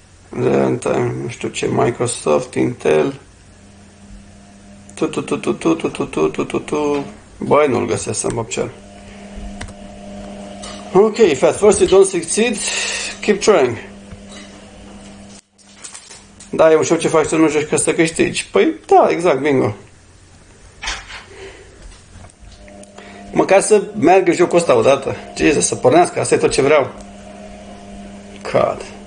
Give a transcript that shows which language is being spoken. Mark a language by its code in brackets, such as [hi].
[ro] Runtime, nu știu ce, Microsoft, Intel. Tu. Băi, nu-l găsesc în Bobcean. [en] Ok, if at first you don't succeed, keep trying. [ro] Da, e ușor ce faci să nu joci ca să câștigi. Păi, da, exact, bingo. Măcar să meargă jocul ăsta odată. Jesus, să pornească, asta e tot ce vreau. God.